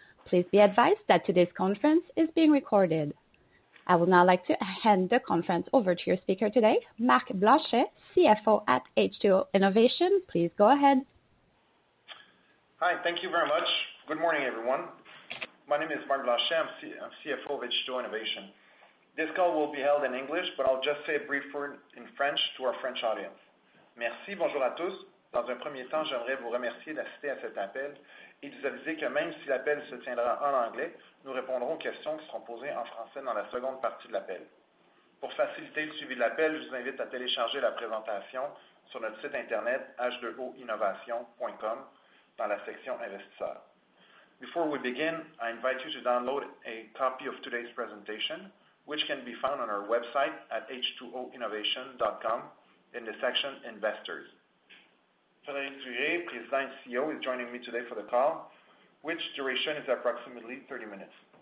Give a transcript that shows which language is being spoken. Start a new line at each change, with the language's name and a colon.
English: Please be advised that today's conference is being recorded. I would now like to hand the conference over to your speaker today, Marc Blanchet, CFO at H2O Innovation. Please go ahead. Hi, thank you very much. Good morning, everyone. My name is Marc Blanchet. I'm CFO of H2O Innovation. This call will be held in English, but I'll just say a brief word in French to our French audience.
French: Merci, bonjour à tous. Dans un premier temps, j'aimerais vous remercier d'assister à cet appel et vous aviser que même si l'appel se tiendra en anglais, nous répondrons aux questions qui seront posées en français dans la seconde partie de l'appel. Pour faciliter le suivi de l'appel, je vous invite à télécharger la présentation sur notre site Internet h2oinnovation.com dans la section Investisseurs.
English: Before we begin, I invite you to download a copy of today's presentation, which can be found on our website at h2oinnovation.com in the section Investors. Frédéric Durey, President and CEO, is joining me today for the call, which duration is approximately 30 minutes.